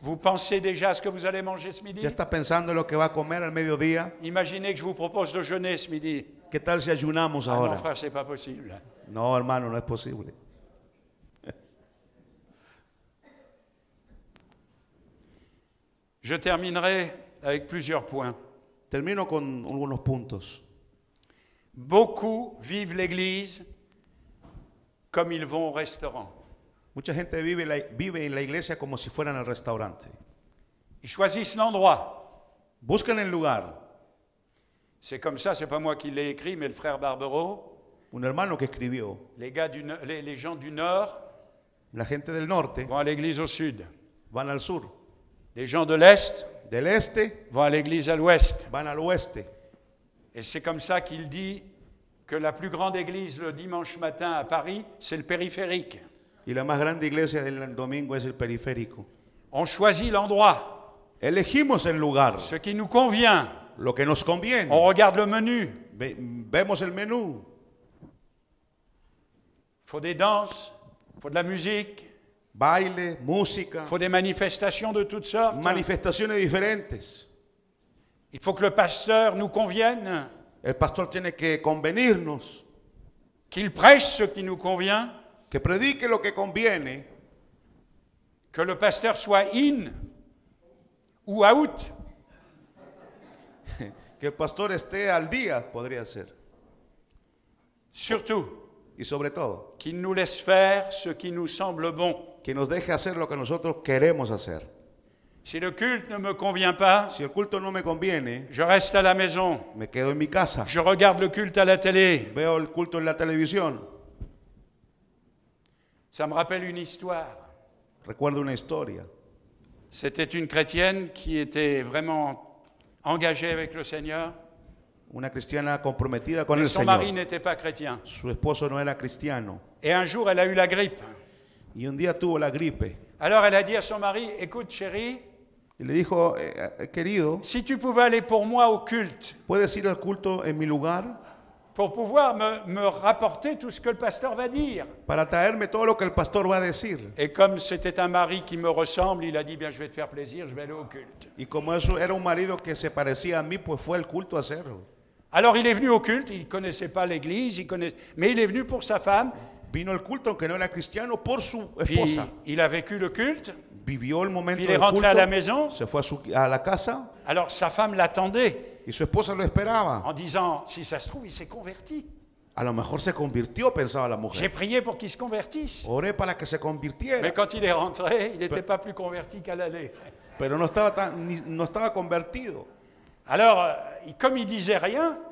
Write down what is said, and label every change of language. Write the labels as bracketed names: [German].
[French] Vous pensez déjà à ce que vous allez manger ce midi? [Spanish] Ya está pensando en lo que va a comer al mediodía. [French] Imaginez que je vous propose de jeûner ce midi. [Spanish] ¿Qué tal si ayunamos ah, ahora? [French] Non, frère, c'est pas possible. [Spanish] No, hermano, no es posible. [French] Je terminerai avec plusieurs points. [Spanish] Termino con algunos puntos. [French] Beaucoup vivent l'Église comme ils vont au restaurant. [Spanish] Mucha gente vive en la iglesia como si fueran al restaurante. [French] Ils choisissent l'endroit. [Spanish] Buscan el lugar. [French] C'est comme ça, c'est pas moi qui l'ai écrit, mais le frère Barbero. [Spanish] Un hermano que escribió. [French] Les gens du nord. [Spanish] La gente del norte. [French] Vont à l'église au sud. [Spanish] Van al sur. [French] Les gens de l'est. [Spanish] Del este. [French] Vont à l'église à l'ouest. [Spanish] Van al oeste. [French] Et c'est comme ça qu'il dit que la plus grande église le dimanche matin à Paris, c'est le périphérique. [Spanish] Y la más grande iglesia el domingo es el periférico. [French] On choisit l'endroit. [Spanish] Elegimos el lugar. [French] Ce qui nous convient. [Spanish] Lo que nos conviene. [French] On regarde le menu. [Spanish] Vemos el menú. [French] Faut des danses, faut de la musique. [Spanish] Baile, música. [French] Faut des manifestations de toutes sortes. [Spanish] Manifestaciones diferentes. [French] Il faut que le pasteur nous convienne. [Spanish] El pastor tiene que convenirnos. [French] Qu'il prêche ce qui nous convient. [Spanish] Que predique lo que conviene. [French] Que le pasteur soit in ou out. [Spanish] Que el pastor esté al día, podría ser. [French] Surtout. [Spanish] Y sobre todo. [French] Qu'il nous laisse faire ce qui nous semble bon. [Spanish] Que nos deje hacer lo que nosotros queremos hacer. [French] Si le culte ne me convient pas, [Spanish] si el culto no me conviene, [French] je reste à la maison. [Spanish] Me quedo en mi casa. [French] Je regarde le culte à la télé. [Spanish] Veo el culto en la televisión. [French] Ça me rappelle une histoire. [Spanish] Recuerdo una historia. [French] C'était une chrétienne qui était vraiment engagée avec le Seigneur. [Spanish] Una cristiana comprometida con [French] Mais [Spanish] el [French] son [Spanish] Señor. [French] Mari n'était pas chrétien. [Spanish] Su esposo no era cristiano. [French] Et un jour, elle a eu la grippe. [Spanish] Y un día tuvo la gripe. [French] Alors elle a dit à son mari, écoute chérie, [Spanish] y le dijo, querido, [French] si tu pouvais aller pour moi au culte, [Spanish] puedes ir al culto en mi lugar, [French] pour pouvoir me rapporter tout ce que le pasteur va dire. [Spanish] Para traerme todo lo que el pastor va a decir. [French] Et comme c'était un mari qui me ressemble, il a dit, bien je vais te faire plaisir, je vais aller au culte. [Spanish] Y como eso era un marido que se parecía a mí, pues fue al culto a hacerlo. [French] Alors il est venu au culte, il ne connaissait pas l'église, mais il est venu pour sa femme. [Spanish] Vino al culto aunque no era cristiano por su esposa. [French] Puis, il a vécu le culte. [Spanish] Vivió el momento [French] puis, il est rentré [Spanish] culto, [French] à la maison. [Spanish] Se fue a la casa. [French] Alors sa femme l'attendait. [Spanish] Y su esposa lo esperaba. [French] En disant, si ça se trouve, il s'est converti. [Spanish] A lo mejor se convirtió, pensaba la mujer. [French] J'ai prié pour qu'il se convertisse. [Spanish] Oré para que se convirtiera. [French] Mais quand il est rentré, il n'était pas plus converti qu'à l'aller. [Spanish] Pero no estaba no estaba convertido. [French] Alors, comme il disait rien,